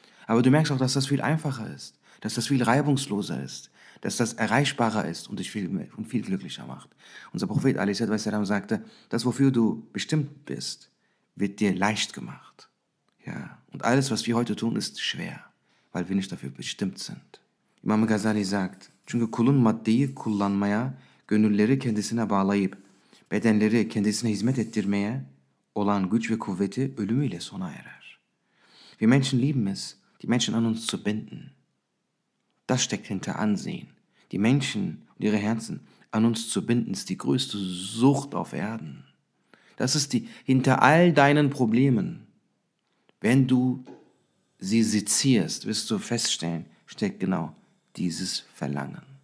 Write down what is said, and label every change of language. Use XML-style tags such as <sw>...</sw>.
<de>Aber du merkst auch, dass das viel einfacher ist, dass das viel reibungsloser ist, dass das erreichbarer ist und dich viel glücklicher macht. Unser Prophet, a.s.w., sagte, das, wofür du bestimmt bist, wird dir leicht gemacht. Ja. Und alles, was wir heute tun, ist schwer, weil wir nicht dafür bestimmt sind. Imam Ghazali sagt,</de> <tr>çünkü kulun maddeyi kullanmaya, gönülleri kendisine bağlayıp, bedenleri kendisine hizmet ettirmeye olan güç ve kuvveti ölümüyle sona erer.</tr> <de>Wir Menschen lieben es, die Menschen an uns zu binden. Das steckt hinter Ansehen. Die Menschen und ihre Herzen an uns zu binden, ist die größte Sucht auf Erden. Das ist die, hinter all deinen Problemen, wenn du sie sezierst, wirst du feststellen, steckt genau dieses Verlangen.</de>